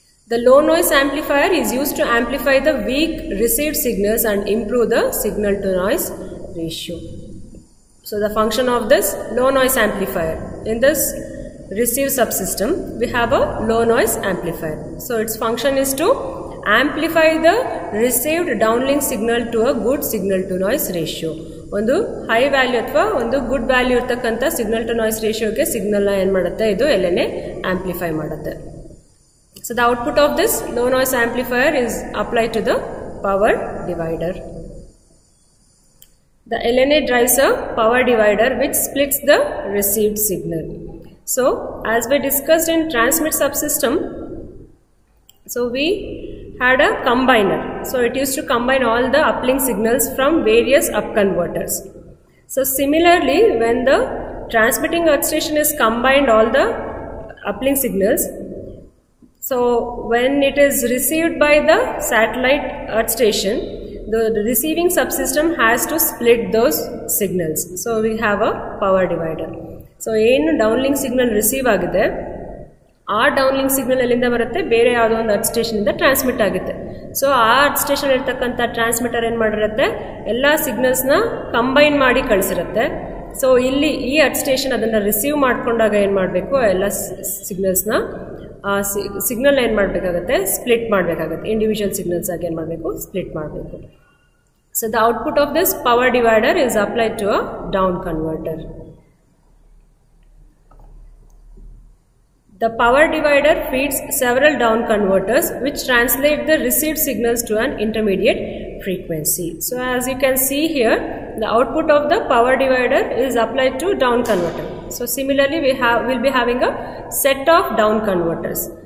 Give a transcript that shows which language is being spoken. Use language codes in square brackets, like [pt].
[en] The low noise amplifier is used to amplify the weak received signals and improve the signal to noise ratio. So the function of this low noise amplifier, in this receive subsystem we have a low noise amplifier. So its function is to amplify the received downlink signal to a good signal to noise ratio. [kn] ಒಂದು high value ಅಥವಾ ಒಂದು good value ಇರ್ತಕ್ಕಂಥ signal to noise ರೇಷಿಯೋಗೆ ಸಿಗ್ನಲ್ನ ಏನು ಮಾಡುತ್ತೆ, ಇದು LNA amplify ಮಾಡುತ್ತೆ. [en] So the output of this low noise amplifier is apply to the power divider. The LNA drives a power divider which splits the received signal. So as we discussed in transmit subsystem, so we had a combiner. So it used to combine all the uplink signals from various up converters. So similarly, when the transmitting earth station is combined all the uplink signals, so when it is received by the satellite earth station, the receiving subsystem has to split those signals. So we have a power divider. [kn] So ಏನು ಡೌನ್ಲಿಂಕ್ signal receive ಆಗಿದೆ ಆ ಡೌನ್ಲಿಂಕ್ signal ಅಲ್ಲಿಂದ ಬರುತ್ತೆ ಬೇರೆ ಯಾವುದೋ ಒಂದು earth ಸ್ಟೇಷನಿಂದ transmit ಆಗುತ್ತೆ. So ಆ ಅರ್ಥ್ ಸ್ಟೇಷನ್ ಇರ್ತಕ್ಕಂಥ ಟ್ರಾನ್ಸ್ಮಿಟರ್ ಏನು ಮಾಡಿರುತ್ತೆ ಎಲ್ಲ ಸಿಗ್ನಲ್ಸ್ನ ಕಂಬೈನ್ ಮಾಡಿ ಕಳಿಸಿರುತ್ತೆ. ಸೊ ಇಲ್ಲಿ ಈ ಅರ್ಥ್ ಸ್ಟೇಷನ್ ಅದನ್ನು ರಿಸೀವ್ ಮಾಡಿಕೊಂಡಾಗ ಏನು ಮಾಡಬೇಕು ಎಲ್ಲ ಸಿಗ್ನಲ್ಸ್ನ ಆ ಸಿಗ್ನಲ್ ಏನು ಮಾಡಬೇಕಾಗತ್ತೆ ಸ್ಪ್ಲಿಟ್ ಮಾಡಬೇಕಾಗತ್ತೆ ಇಂಡಿವಿಜುವಲ್ ಸಿಗ್ನಲ್ಸ್ ಆಗಿ ಏನು ಮಾಡಬೇಕು ಸ್ಪ್ಲಿಟ್ ಮಾಡಬೇಕು. [en] So the output of this power divider is applied to a down converter. The power divider feeds several down converters which translate the received signals to an intermediate frequency. So as you can see here, the output of the power divider is applied to down converter. So similarly, we'll be having a set of down converters.